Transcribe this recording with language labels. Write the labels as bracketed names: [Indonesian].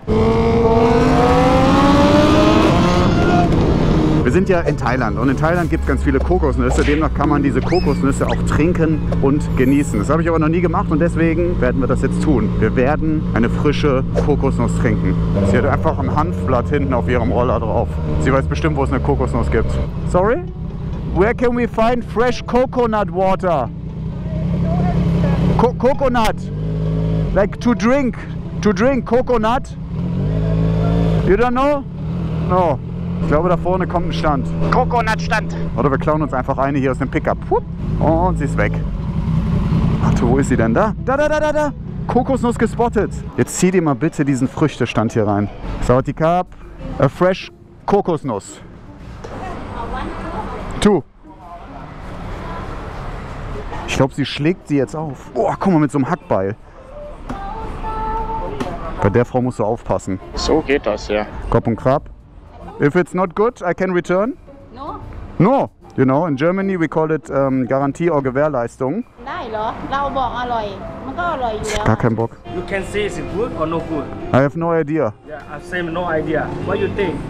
[German] Wir sind ja in Thailand und in Thailand gibt es ganz viele Kokosnüsse. Demnach kann man diese Kokosnüsse auch trinken und genießen. Das habe ich aber noch nie gemacht und deswegen werden wir das jetzt tun. Wir werden eine frische Kokosnuss trinken. Sie hat einfach ein Hanfblatt hinten auf ihrem Roller drauf. Sie weiß bestimmt, wo es eine Kokosnuss gibt. [English] Sorry? Where can we find fresh coconut water? Coconut. Like to drink. To drink coconut. You don't know? No. [German] Ich glaube, da vorne kommt ein Stand. Coconut-Stand. Oder wir klauen uns einfach eine hier aus dem Pickup. Und sie ist weg. Warte, wo ist sie denn da? Da. Kokosnuss gespottet. Jetzt zieh dir mal bitte diesen Früchtestand hier rein. Sauti Kap. [English] A fresh Kokosnuss. Two. [German] Ich glaube, sie schlägt sie jetzt auf. Boah, guck mal, mit so einem Hackbeil. Bei der Frau musst du aufpassen. So geht das, ja. Kopf und Krab. [English] If it's not good, I can return. No. No. You know, in Germany we call it Garantie or Gewährleistung. [German] Gar kein Bock. [English] You can say it's good or not good. I have no idea. Yeah, I have no idea. What do you think?